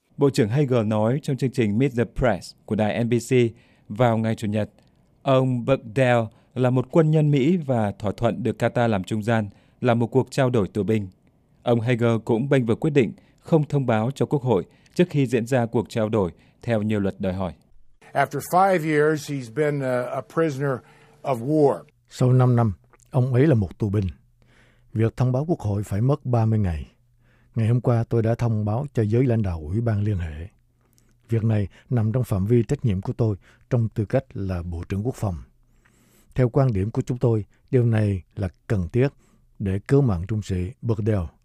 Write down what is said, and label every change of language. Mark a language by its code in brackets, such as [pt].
[vi] Bộ trưởng Hagel nói trong chương trình Meet the Press của đài NBC vào ngày Chủ nhật, ông Bugdell là một quân nhân Mỹ và thỏa thuận được Qatar làm trung gian là một cuộc trao đổi tù binh. Ông Hagel cũng bênh vực quyết định không thông báo cho Quốc hội trước khi diễn ra cuộc trao đổi theo nhiều luật đòi hỏi. [en] After 5 years, he's been a prisoner of war. [vi] Sau 5 năm, ông ấy là một tù binh. Việc thông báo Quốc hội phải mất 30 ngày. Ngày hôm qua, tôi đã thông báo cho giới lãnh đạo Ủy ban Liên hệ. Việc này nằm trong phạm vi trách nhiệm của tôi trong tư cách là Bộ trưởng Quốc phòng. Theo quan điểm của chúng tôi, điều này là cần thiết để cứu mạng trung sĩ Bugdell.